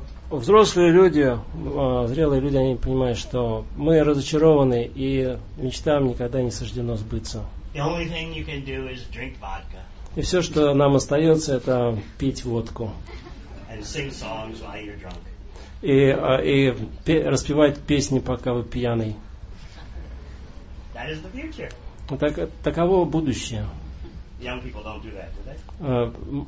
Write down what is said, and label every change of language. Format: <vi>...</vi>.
<ru>Взрослые люди, зрелые люди, они понимают, что мы разочарованы, и мечтам никогда не суждено сбыться.</ru> <en>The only thing you can do is drink vodka.</en> <ru>И все, что нам остается, это пить водку.</ru> <en>And sing songs while you're drunk.</en> <ru>Распевать песни, пока вы пьяный.</ru> <en>That is the future.</en> <ru>Таково будущее.</ru> <en>Young people don't do that, do they?</en>